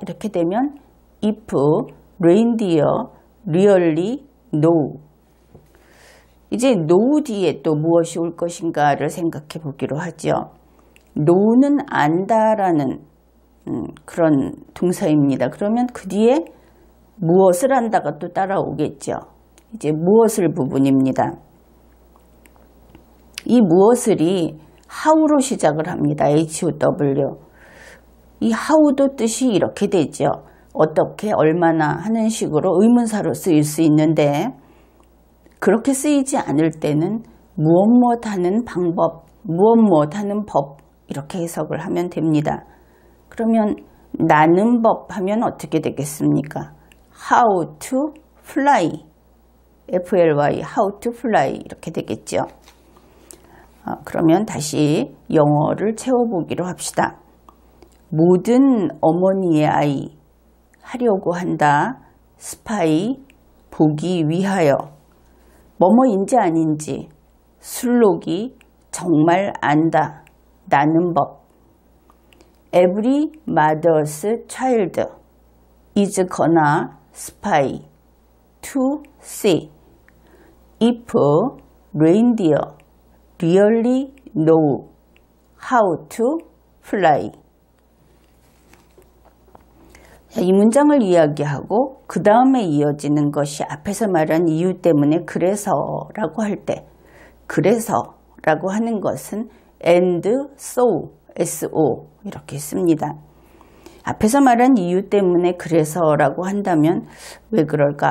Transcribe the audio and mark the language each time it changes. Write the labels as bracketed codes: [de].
[ko] 이렇게 되면 [en] if reindeer really know. [ko] 이제 no 뒤에 또 무엇이 올 것인가를 생각해 보기로 하죠. no는 안다라는 그런 동사입니다. 그러면 그 뒤에 무엇을 안다가 또 따라오겠죠. 이제 무엇을 부분입니다. 이 무엇을이 how로 시작을 합니다. how. 이 how도 뜻이 이렇게 되죠. 어떻게, 얼마나 하는 식으로 의문사로 쓰일 수 있는데 그렇게 쓰이지 않을 때는 무엇뭇 하는 방법, 무엇뭇 하는 법 이렇게 해석을 하면 됩니다. 그러면 나는 법 하면 어떻게 되겠습니까? [en] How to fly. FLY, how to fly [ko] 이렇게 되겠죠. 그러면 다시 영어를 채워보기로 합시다. 모든 어머니의 아이 하려고 한다. 스파이 보기 위하여. 뭐뭐인지 아닌지 술록이 정말 안다. 나는 법. [en] Every mother's child is gonna spy. to see if reindeer really know how to fly. [ko] 이 문장을 이야기하고 그 다음에 이어지는 것이 앞에서 말한 이유 때문에 그래서라고 할 때 그래서라고 하는 것은 [en] and so, so [ko] 이렇게 씁니다. 앞에서 말한 이유 때문에 그래서라고 한다면 왜 그럴까?